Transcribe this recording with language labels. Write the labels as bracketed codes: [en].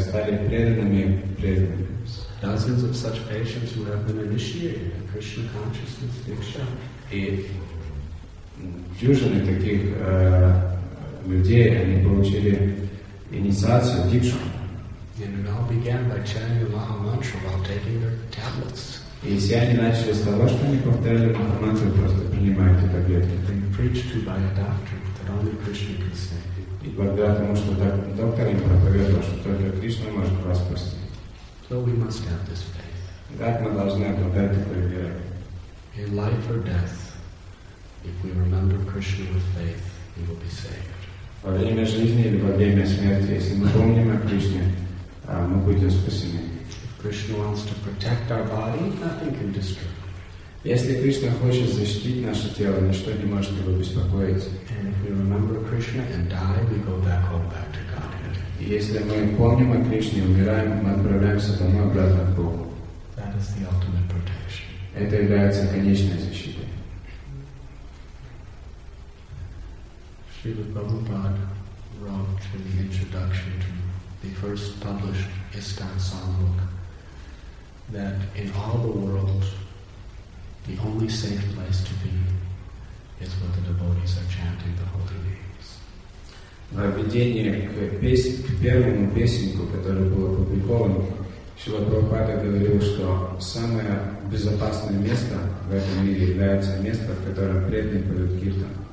[ru] Стали преданными преданными. [en] dozens of such patients who have been initiated in Krishna consciousness diksha. [ru] И дюжины таких людей, они получили инициацию дикшу. [en] And it all began by chanting the Maha Mantra while taking their tablets. [ru] И все они начали с того, что они повторяли Маха Мантру, просто принимая эти таблетки. [en] They preached to by a doctor that only Krishna can save. [ru] И благодаря тому, что доктор им проповедовал, что только Кришна может вас спасти. [en] So we must have this faith. [ru] Так мы должны обладать такой верой. [en] In life or death, if we remember Krishna with faith, we will be saved. [ru] Во время жизни или во время смерти, если мы помним о Кришне, мы будем спасены. [en] If Krishna wants to protect our body, nothing can disturb it. [ru] Если Кришна хочет защитить наше тело, ничто не может его беспокоить. [en] And if we remember Krishna and die, we go back home, back to Godhead. [ru] И если мы помним о Кришне, умираем, мы отправляемся домой обратно к Богу. [en] That is the ultimate protection. [ru] Это является конечной защитой. [en] Srila Prabhupada wrote in the introduction to the first published ISKCON song book that in all the world, the only safe place to be is where the devotees are chanting the holy names. [ru] В введении к первому песенку, которая была опубликована, Шрила Прабхупада говорил, что самое безопасное место в этом мире является место, в котором преданные поют киртан.